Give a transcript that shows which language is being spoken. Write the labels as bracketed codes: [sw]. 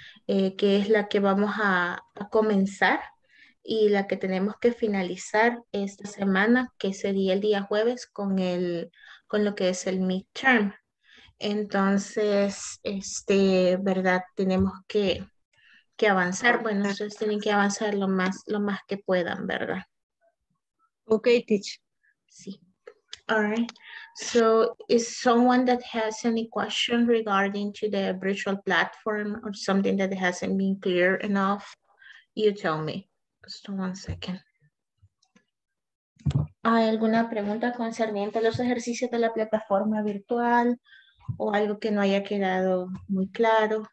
[es] Que es la que vamos a comenzar y la que tenemos que finalizar esta semana, que sería el día jueves con lo que es el midterm. Entonces, ¿verdad? Tenemos que avanzar. Bueno, ustedes tienen que avanzar lo más que puedan, ¿verdad? [en] Ok, teacher. [es] Sí. [en] All right. So is someone that has any question regarding to the virtual platform or something that hasn't been clear enough? You tell me. Just 1 second. [es] ¿Hay alguna pregunta concerniente a los ejercicios de la plataforma virtual o algo que no haya quedado muy claro?